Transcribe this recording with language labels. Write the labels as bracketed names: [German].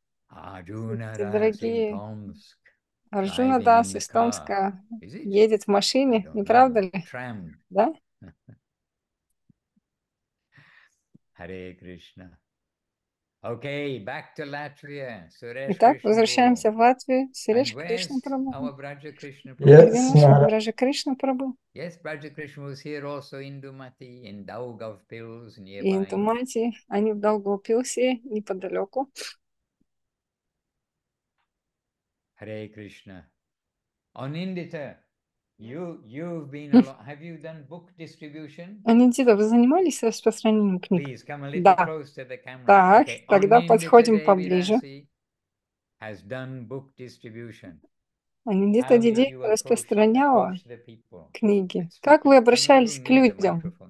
[Russian] Дорогие, Арджуна Дас из Томска едет в машине, не правда ли? Да? [English] Харе Кришна. Okay, back to Latvia. Suresh. [Russian] Итак, возвращаемся в Латвию. [English] Suresh Krishna Prabhu. Our Braja Krishna Prabhu. Yes, Braja Krishna Prabhu. Yes, Braja Krishna was here also in Dumati, in Daugavpils nearby. In Dumati, [Russian] они в Даугавпилсе неподалеку. [English] Hare Krishna. Anindita, you've been have you done book distribution? [Russian] Анидита, вы занимались распространением книг? [English] Please come a little [Russian] да. [English] Close to the camera. [Russian] Да, okay. Тогда подходим поближе. [English] Has done book distribution. [Russian] Анидита Диди распространяла книги. Как вы обращались к людям?